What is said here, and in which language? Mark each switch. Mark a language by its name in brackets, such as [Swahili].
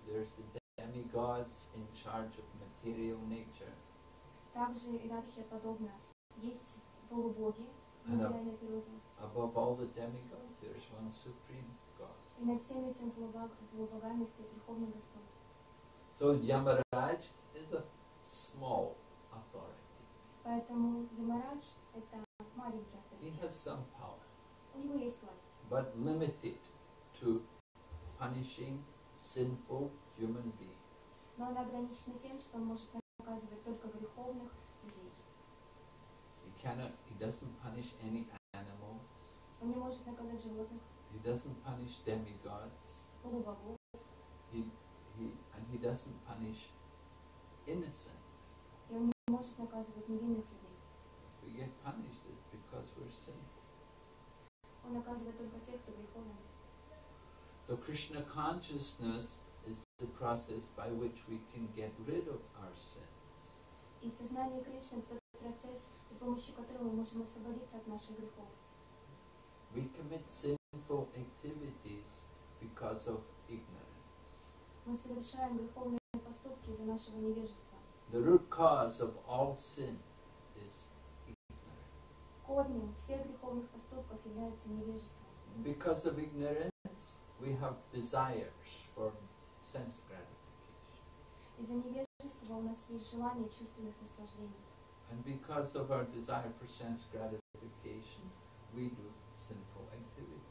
[English] There's the demigods in charge of material nature. [Russian] Также иерархия подобна. Есть полубоги, материальная природа. [English] Above all the demigods, there's one supreme God. [Russian] И над всеми этими полубогами стоит верховный Господь. [English] So Yamaraj is a small authority. [Russian] Поэтому Ямарадж это маленький авторитет. [English] He has some power. [Russian] У него есть власть. [English] But limited to punishing sinful human beings. [Russian] Но она ограничена тем, что он может наказывать только греховных людей. [English] He doesn't punish any animals. [Russian] Он не может наказать животных. [English] He doesn't punish demigods. [Russian] Полубогов. [English] He doesn't punish innocent. [Russian] И он не может наказывать невинных людей. [English] We get punished because we're sinful. [Russian] Он наказывает только тех, кто греховный. [English] So Krishna consciousness is the process by which we can get rid of our sins. [Russian] И сознание Кришны это тот процесс, при помощи которого мы можем освободиться от наших грехов. [English] We commit sinful activities because of ignorance. [Russian] Мы совершаем греховные поступки из-за нашего невежества. [English] The root cause of all sin is ignorance. [Russian] Корнем всех греховных поступков является невежество. [English] Because of ignorance, we have desires for sense gratification. And because of our desire for sense gratification, we do sinful activities.